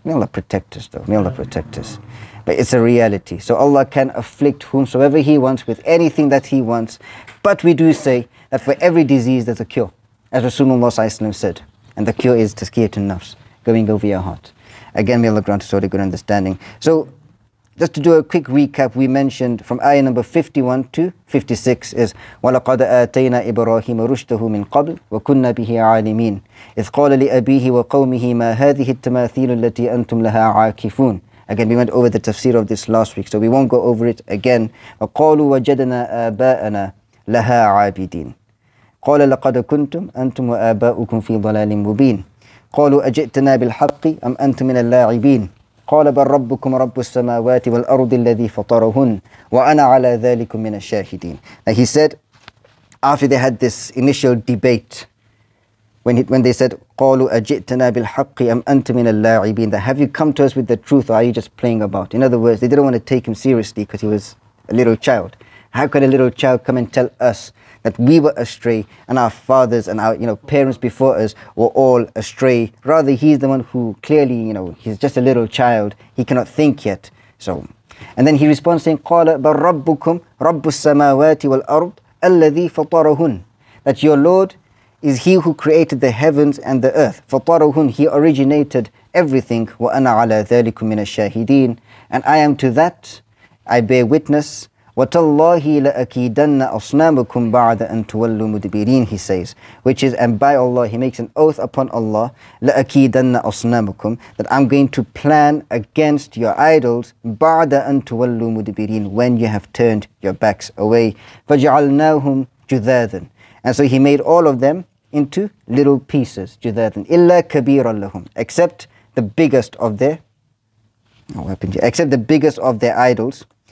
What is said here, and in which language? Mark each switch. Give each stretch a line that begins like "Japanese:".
English: May Allah protect us though, may Allah protect us. But it's a reality. So Allah can afflict whomsoever He wants with anything that He wants. But we do say that for every disease there's a cure. As Rasulullah said, and the cure is tazkiyah to nafs, going over your heart. Again, may Allah grant us all a good understanding. So, just to do a quick recap, we mentioned from ayah number 51 to 56 is
Arabic: وَلَقَدْ آتَيْنَا إِبْرَاهِيمَ رُشْدَهُ مِنْ قَبْلِ وَكُنَّا بِهِ عَالِمِينَ إِذْ قَالَ لِأَبِيهِ وَقَوْمِهِ مَا هَذِهِ التَّمَاثِيلُ الَّتِي أَنْتُمْ لَهَا عَاكِفُونَ.
English: Again, we went over the tafsir of this last week, so we won't go over it again.
Arabic: وَقَالُوا وَجَدْنَا آبَاءَنَا لَهَا عَابِدِينَ. قال لقد كنتم أنتم وآباؤكم في ضلال مبين قالوا أجئتنا بالحق أم أنتم من اللاعبين قال بل ربكم رب السماوات والأرض الذي فطرهن وأنا على ذلك من الشاهدين.
English: Now he said, after they had this initial debate, when they said
Arabic: قالوا أجئتنا بالحق أم أنتم من اللاعبين,
English: that have you come to us with the truth, or are you just playing about? In other words, they didn't want to take him seriously because he was a little child. How could a little child come and tell us that we were astray and our fathers and our, you know, parents before us were all astray? Rather, he's the one who clearly, you know, he's just a little child. He cannot think yet. So, and then he responds saying,
Arabic: قَالَ بَلْ رَبُّكُمْ رَبُّ السَّمَاوَاتِ وَالْأَرْضِ الَّذِي فَطَرَهُنْ.
English: That your Lord is He who created the heavens and the earth. فَطَرَهُنْ, He originated everything.
Arabic: وَأَنَا عَلَى ذَلِكُمْ مِنَ الشَّاهِدِينَ.
English: And I am to that, I bear witness.
Arabic: وَتَاللَّهِ لَأَكِيدَنَّ أَصْنَامُكُمْ بَعْدَ أَن تُوَلُّوا مُدْبِرِينَ,
English: he says. Which is, and by Allah, he makes an oath upon Allah,
Arabic: لَأَكِيدَنَّ أَصْنَامُكُمْ,
English: that I'm going to plan against your idols,
Arabic: بَعْدَ أَن تُوَلُّوا مُدْبِرِينَ,
English: when you have turned your backs away.
Arabic: فَجَعَلْنَاهُمْ جُذَاذًا.
English: And so he made all of them into little pieces, جُذَاذًا,
Arabic: إِلَّا كَبِيرًا لَهُمْ,
English: except the biggest of their, except the biggest of their idols,